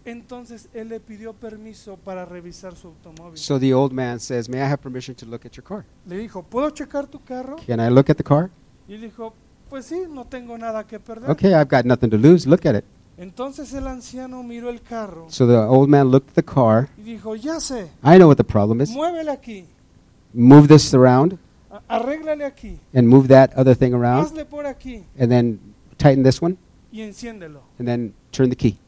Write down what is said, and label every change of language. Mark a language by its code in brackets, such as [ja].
[es] Entonces él le pidió permiso para revisar su automóvil. [en] So the old man says, may I have permission to look at your car? [es] Le dijo, ¿puedo checar tu carro? [en] Can I look at the car? [es] Y dijo, pues sí, no tengo nada que perder. [en] Okay, I've got nothing to lose, look at it. [es] Entonces el anciano miró el carro. [en] So the old man looked at the car. [es] Y dijo, ya sé. [en] I know what the problem is. [es] Muévele aquí. [en] Move this around. [es] Arréglale aquí. [en] And move that other thing around. [es] Hazle por aquí. [en] And then tighten this one. [es] y enciéndelo. [en] And then turn the key.